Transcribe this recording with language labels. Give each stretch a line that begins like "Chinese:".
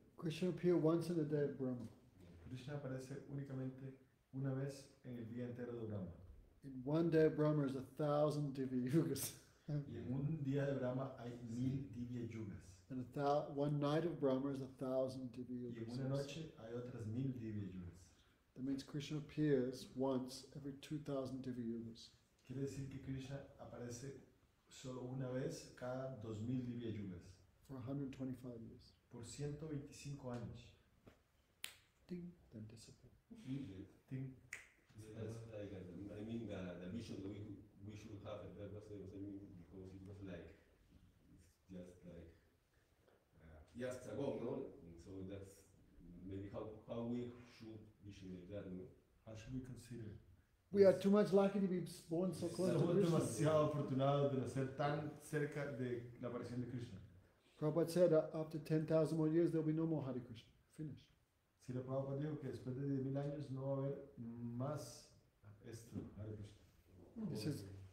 English: Krishna appears once in the day of Brahma.
Spanish: Krishna aparece únicamente una vez en el día entero de Brahma.
English: In one day of Brahma is 1,000 Divya Yugas.
Spanish: Y en un día de Brahma hay 1,000 Divya Yugas.
English: And one night of Brahma is 1,000 Divya Yugas.
Spanish: Y en una noche hay otras 1,000 Divya Yugas.
English: That means Krishna appears once every 2,000 Divya Yugas.
Spanish: Quiere decir que Krishna aparece solo una vez cada 2,000 Divya Yugas.
English: For 125 years.
Spanish: Por 125 años.
English: Ding, then disappear. Ding. That's like, I mean, the vision that we should have, that was, I mean, because it was like, it's just like, just a goal, no? And so that's maybe how we should vision it, that, no? How should we consider it? We are too much lucky to be born so close to Krishna.
Spanish: Somos demasiado afortunados de nacer tan cerca de la aparición de Krishna.
English: Prabhupada said, after 10,000 more years, there'll be no more Hare Krishna. Finished.
Spanish: Si la Prabhupada dijo que después de 10,000 años no va a haber más esto, Hare Krishna.